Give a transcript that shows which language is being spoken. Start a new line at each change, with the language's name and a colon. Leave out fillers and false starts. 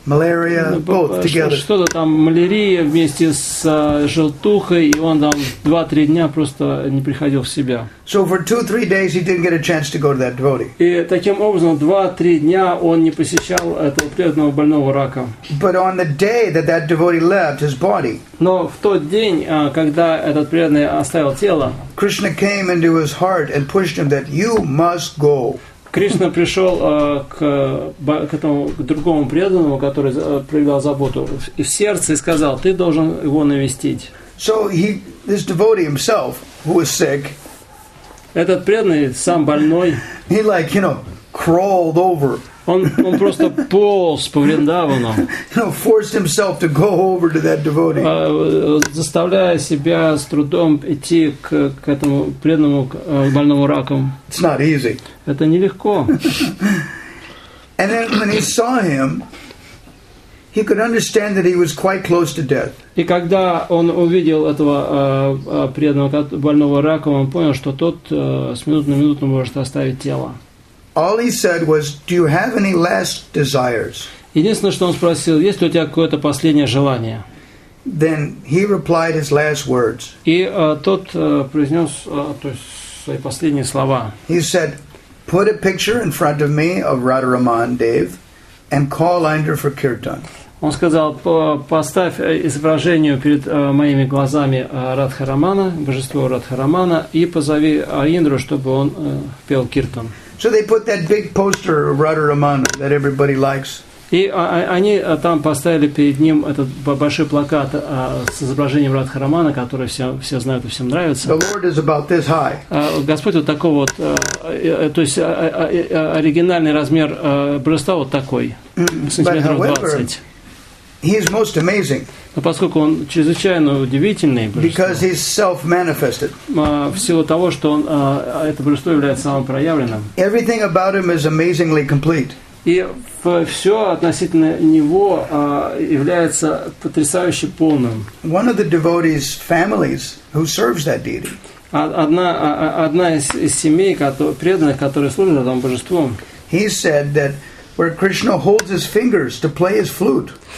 English: malaria, both together.
Russian: Что-то там малярия вместе с желтухой, и он там 2-3 дня просто не приходил в себя.
English: So for 2-3 days he didn't get a chance to go to that devotee.
Russian: И таким образом 2-3 дня он не посещал этого преданного больного раком.
English: But on the day that devotee left his body.
Russian: Но в тот день, когда этот преданный оставил тело,
English: Krishna came into his heart and pushed him that you must go.
Russian: Кришна пришел к другому преданному, который проявлял заботу в сердце и сказал: ты должен его навестить.
English: So this devotee himself, who was sick,
Russian: этот преданный сам больной,
English: he like, you know, crawled over.
Russian: Он просто полз по Вриндавану.
English: Forced himself to go over to that devotee.
Russian: Заставляя себя с трудом идти к этому преданному больному раком.
English: It's not easy.
Russian: Это нелегко.
English: And then when he saw him, he could understand that he was quite close to death.
Russian: И когда он увидел этого преданного больного раком, он понял, что тот с минуты на минуту может оставить тело.
English: All he said was, "Do you have any last desires?"
Russian: Единственное, что он спросил, есть ли у тебя какое-то последнее желание?
English: Then he replied his last words.
Russian: И тот произнес, то есть свои последние слова.
English: He said, "Put a picture in front of me of Radharaman Dev, and call Indra for kirtan."
Russian: Он сказал, поставь изображение перед моими глазами Радхарамана, божество Радхарамана, и позови Индру, чтобы он пел киртан.
English: So they put that big poster of Radharaman that everybody likes.
Russian: И они там поставили перед ним этот большой плакат с изображением Радхарамана, который все знают и всем нравится.
English: The Lord is about this high.
Russian: Господь вот такой вот, то есть оригинальный размер божества вот такой, сантиметров 20.
English: He is most amazing.
Russian: Но поскольку он чрезвычайно удивительный божество,
English: because he's self-manifested.
Russian: В силу того, что он это божество является самопроявленным.
English: Everything about him is amazingly complete.
Russian: И все относительно него является потрясающе полным.
English: One of the devotees' families who serves that deity.
Russian: Одна из семей преданных, которые служат этому божеству.
English: He said that where Krishna holds his fingers to play his flute.